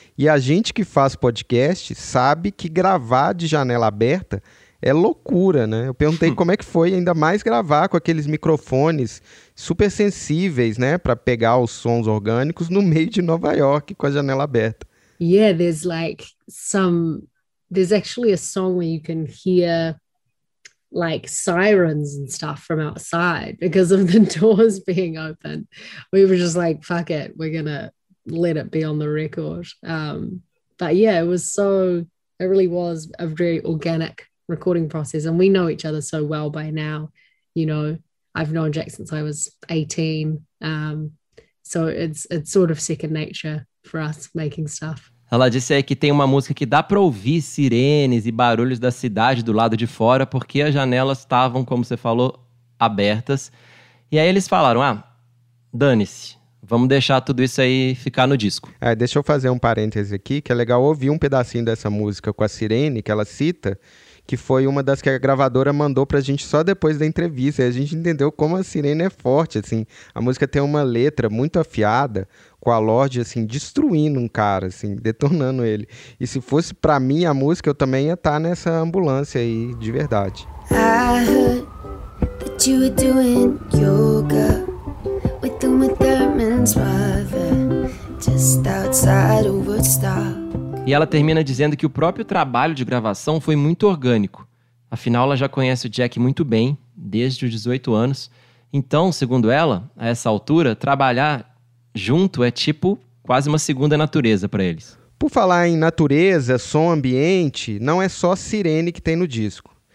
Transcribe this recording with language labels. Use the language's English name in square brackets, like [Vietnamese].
[Portuguese] E a gente que faz podcast sabe que gravar de janela aberta é loucura, né? Eu perguntei como é que foi ainda mais gravar com aqueles microfones super sensíveis, né, para pegar os sons orgânicos no meio de Nova York com a janela aberta. [English] Yeah, there's like some, there's actually a song where you can hear like sirens and stuff from outside because of the doors being open. We were just like, fuck it, we're gonna let it be on the record. But yeah, it was so, it really was a very organic recording process, and we know each other so well by now. You know, I've known Jack since I was 18, so it's sort of second nature for us making stuff. [Portuguese] Ela disse aí que tem uma música que dá pra ouvir sirenes e barulhos da cidade do lado de fora, porque as janelas estavam, como você falou, abertas. E aí eles falaram, ah, dane-se, vamos deixar tudo isso aí ficar no disco. É, deixa eu fazer um parêntese aqui, que é legal ouvir um pedacinho dessa música com a sirene que ela cita, que foi uma das que a gravadora mandou pra gente só depois da entrevista. E a gente entendeu como a sirene é forte, assim. A música tem uma letra muito afiada, com a Lorde, assim, destruindo um cara, assim, detonando ele. E se fosse pra mim a música, eu também ia estar nessa ambulância aí, de verdade. [English] I heard that you were doing yoga with Uma Thurman's brother, just outside of Woodstock. [Portuguese] E ela termina dizendo que o próprio trabalho de gravação foi muito orgânico. Afinal, ela já conhece o Jack muito bem, desde os 18 anos. Então, segundo ela, a essa altura, trabalhar junto é tipo quase uma segunda natureza para eles. Por falar em natureza, som, ambiente, não é só sirene que tem no disco.